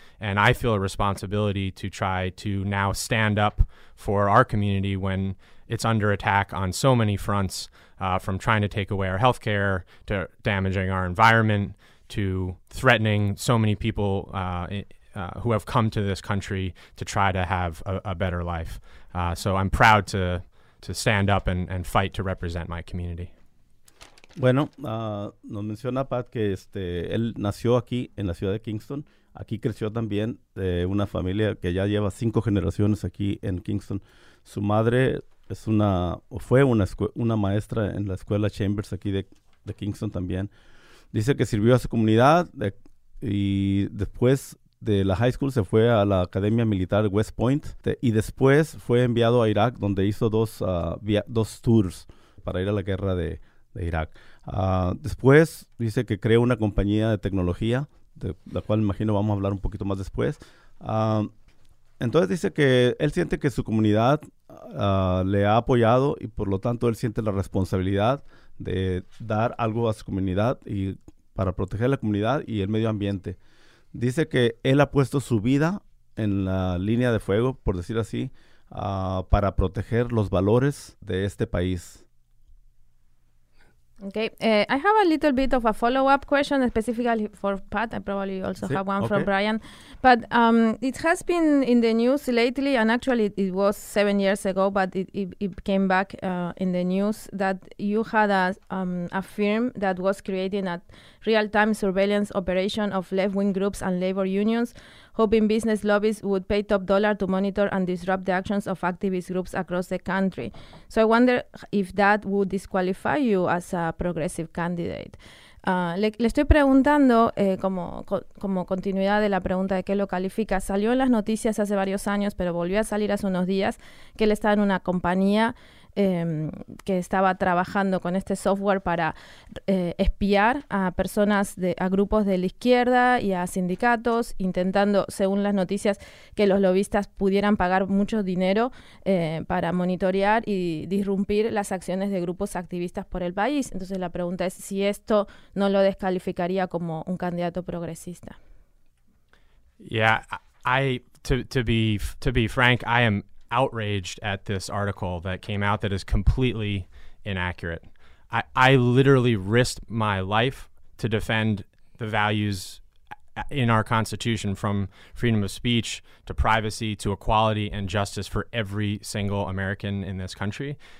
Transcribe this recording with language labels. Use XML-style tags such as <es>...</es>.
<en>And I feel a responsibility to try to now stand up for our community when it's under attack on so many fronts, from trying to take away our healthcare to damaging our environment to threatening so many people who have come to this country to try to have a better life. So I'm proud to stand up and fight to represent my community.</en> <es>Bueno, nos menciona Pat que él nació aquí en la ciudad de Kingston. Aquí creció también una familia que ya lleva 5 generaciones aquí en Kingston. Su madre es una, o fue una maestra en la escuela Chambers aquí de Kingston también. Dice que sirvió a su comunidad y después de la high school se fue a la Academia Militar West Point y después fue enviado a Irak, donde hizo dos tours para ir a la guerra de Irak. Después dice que creó una compañía de tecnología, de la cual imagino vamos a hablar un poquito más después. Entonces dice que él siente que su comunidad le ha apoyado y por lo tanto él siente la responsabilidad de dar algo a su comunidad y para proteger la comunidad y el medio ambiente. Dice que él ha puesto su vida en la línea de fuego, por decir así, para proteger los valores de este país.</es> <en>Okay, I have a little bit of a follow-up question specifically for Pat. I probably also have one for Brian. But it has been in the news lately, and actually it was 7 years ago, but it came back in the news that you had a firm that was creating a real-time surveillance operation of left-wing groups and labor unions, hoping business lobbies would pay top dollar to monitor and disrupt the actions of activist groups across the country. So I wonder if that would disqualify you as a progressive candidate.</en> <es>Le estoy preguntando, como continuidad de la pregunta de qué lo califica, salió en las noticias hace varios años, pero volvió a salir hace unos días, que él estaba en una compañía que estaba trabajando con este software para espiar a personas, a grupos de la izquierda y a sindicatos, intentando, según las noticias, que los lobistas pudieran pagar mucho dinero para monitorear y disrumpir las acciones de grupos activistas por el país. Entonces la pregunta es si esto no lo descalificaría como un candidato progresista.</es> <en>Yeah, to be frank, I am outraged at this article that came out that is completely inaccurate. I literally risked my life to defend the values in our Constitution, from freedom of speech to privacy to equality and justice for every single American in this country.</en>